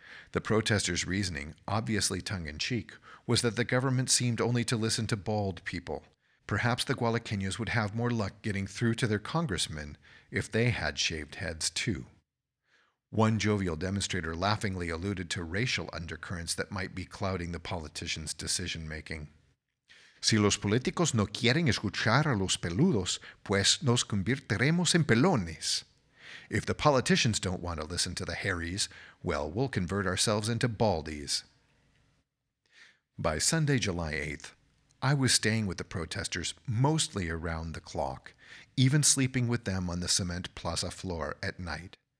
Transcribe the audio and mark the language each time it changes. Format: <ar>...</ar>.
<en>The protesters' reasoning, obviously tongue-in-cheek, was that the government seemed only to listen to bald people. Perhaps the Gualaqueños would have more luck getting through to their congressmen if they had shaved heads too. One jovial demonstrator laughingly alluded to racial undercurrents that might be clouding the politicians' decision-making.</en> <es>Si los políticos no quieren escuchar a los peludos, pues nos convertiremos en pelones.</es> <en>If the politicians don't want to listen to the hairies, well, we'll convert ourselves into baldies. By Sunday, July 8th, I was staying with the protesters mostly around the clock, even sleeping with them on the cement plaza floor at night.</en>